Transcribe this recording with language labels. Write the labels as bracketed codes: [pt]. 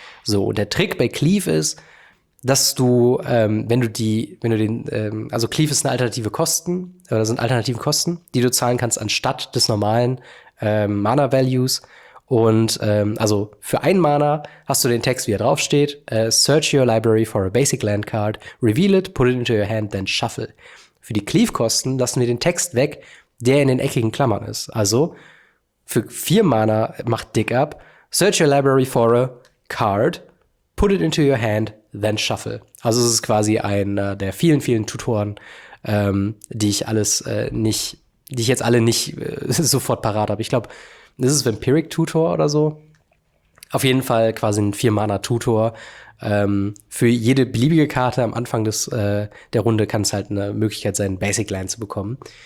[de] So, und der Trick bei Cleave ist, dass du, also Cleave ist eine alternative Kosten, oder sind alternative Kosten, die du zahlen kannst anstatt des normalen Mana Values. Und also für einen Mana hast du den Text, wie er draufsteht. [en] Search your library for a basic land card. Reveal it, put it into your hand, then shuffle. [de] Für die Cleave-Kosten lassen wir den Text weg, der in den eckigen Klammern ist. Also für 4 Mana macht Dig Up. [en] Search your library for a card. Put it into your hand, then shuffle. [de] Also es ist quasi einer der vielen, vielen Tutoren, die ich jetzt alle nicht sofort parat habe. Ich glaube, das ist Vampiric Tutor oder so. Auf jeden Fall quasi ein 4-Mana-Tutor. Für jede beliebige Karte am Anfang der Runde kann es halt eine Möglichkeit sein, Basic Land zu bekommen.